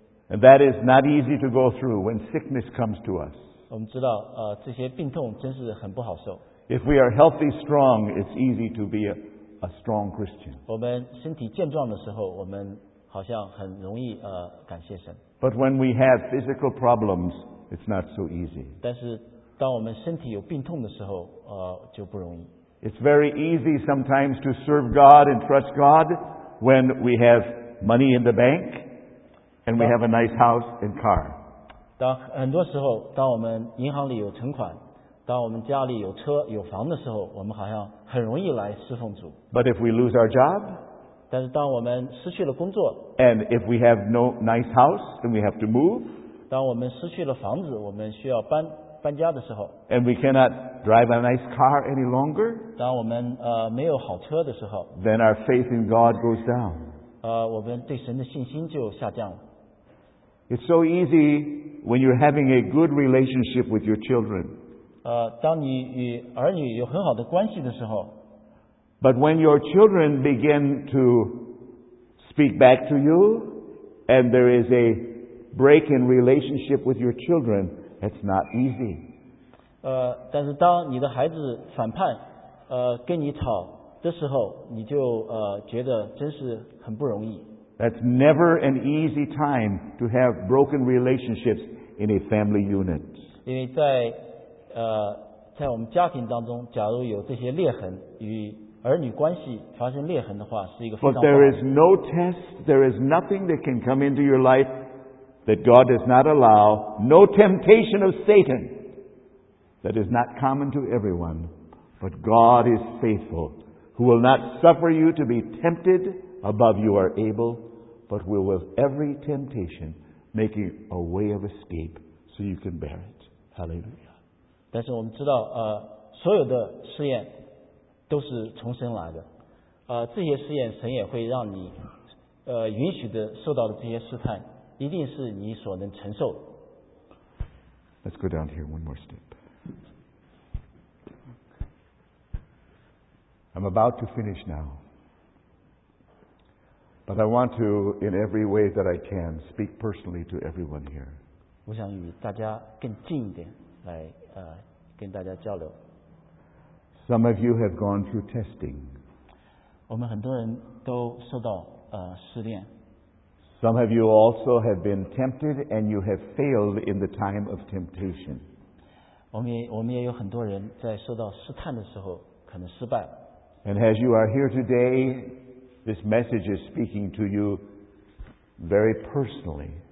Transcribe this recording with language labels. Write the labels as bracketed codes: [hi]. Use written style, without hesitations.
[en] And that is not easy to go through when sickness comes to us. [zh] 我们知道, 这些病痛真是很不好受。 [en] If we are healthy, strong, it's easy to be a strong Christian. [zh] 我们身体健壮的时候, 我们好像很容易, 感谢神。 [en] But when we have physical problems, it's not so easy. [zh] 但是当我们身体有病痛的时候, 就不容易。 [en] It's very easy sometimes to serve God and trust God when we have money in the bank. And we have a nice house and car. [zh] 很多时候当我们银行里有存款, 当我们家里有车, 有房的时候, 我们好像很容易来侍奉主。 [en] But if we lose our job, [zh] 但是当我们失去了工作, [en] and if we have no nice house and we have to move, [zh] 当我们失去了房子, 我们需要搬, 搬家的时候, [en] and we cannot drive a nice car any longer, [zh] 当我们, 没有好车的时候, [en] then our faith in God goes down. [zh] 我们对神的信心就下降了。 [en] It's so easy when you're having a good relationship with your children. [zh] 当你与儿女有很好的关系的时候, [en] but when your children begin to speak back to you, and there is a break in relationship with your children, it's not easy. [zh] 但是当你的孩子反叛, 跟你吵的时候, 你就, 觉得真是很不容易。 [en] That's never an easy time to have broken relationships in a family unit. [zh] 因为在, 在我们家庭当中, 假如有这些裂痕, 与儿女关系发生裂痕的话, 是一个非常好的。 [en] But there is no test, there is nothing that can come into your life that God does not allow, no temptation of Satan that is not common to everyone. But God is faithful, who will not suffer you to be tempted above you are able, but will with every temptation make a way of escape so you can bear it. Hallelujah. [zh] 但是我们知道, 所有的试验都是从神来的。这些试验神也会让你, 允许的, 受到的这些试探, 一定是你所能承受的。 [en] Let's go down here one more step. I'm about to finish now. But I want to, in every way that I can, speak personally to everyone here. [zh] 我想与大家更近一点来, 跟大家交流。 [en] Some of you have gone through testing. [zh] 我们很多人都受到, 试炼。 [en] Some of you also have been tempted and you have failed in the time of temptation. [zh] 我们也有很多人在受到试探的时候可能失败。 [en] And as you are here today, this message is speaking to you very personally.